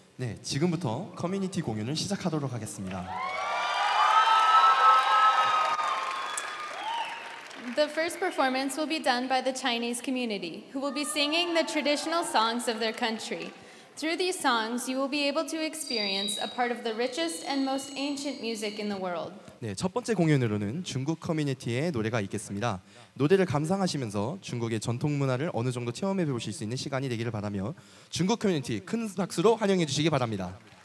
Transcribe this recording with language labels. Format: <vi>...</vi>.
<ko>네, 지금부터 커뮤니티 공연을 시작하도록 하겠습니다.</ko> <en>The first performance will be done by the Chinese community, who will be singing the traditional songs of their country. Through these songs, you will be able to experience a part of the richest and most ancient music in the world.</en> <ko>네, 첫 번째 공연으로는 중국 커뮤니티의 노래가 있겠습니다. 노래를 감상하시면서 중국의 전통 문화를 어느 정도 체험해 보실 수 있는 시간이 되기를 바라며 중국 커뮤니티 큰 박수로 환영해 주시기 바랍니다.</ko>